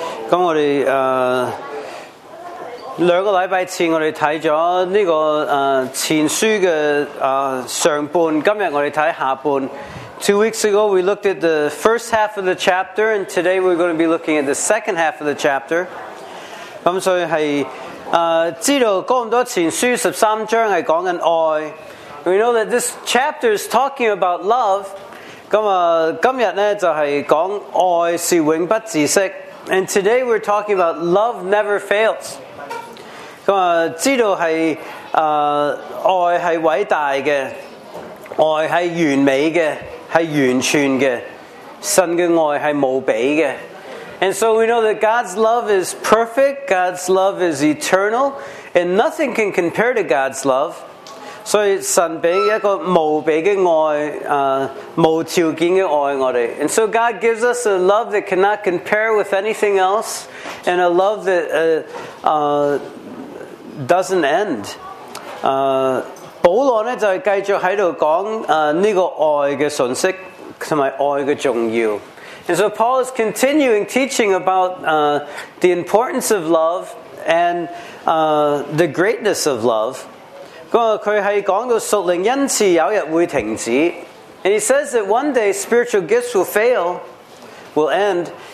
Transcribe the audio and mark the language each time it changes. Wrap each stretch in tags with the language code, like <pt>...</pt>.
<yue>咁我哋两个礼拜前我哋睇咗呢个前书嘅上半，今日我哋睇下半。</yue> <en>Two weeks ago we looked at the first half of the chapter, and today we're going to be looking at the second half of the chapter。</en> <yue>咁所以系知道哥林多前书十三章系讲紧爱。</yue> <en>We know that this chapter is talking about love。</en> <yue>咁今日咧就系讲爱是永不止息。</yue> <en>And today we're talking about love never fails.</en> <yue>知道是爱是伟大的，爱是完美的，是完全的，神的爱是无比的。</yue> <en>And so we know that God's love is perfect, God's love is eternal, and nothing can compare to God's love.</en> <yue>所以神给一个无比的爱，无条件的爱我们。</yue> <en>And so God gives us a love that cannot compare with anything else, and a love that doesn't end.</en> <yue>保罗呢就继续在这里讲这个爱的信息和爱的重要。</yue> <en>And so Paul is continuing teaching about the importance of love and the greatness of love. And he says that one day spiritual gifts will fail, will end.</en>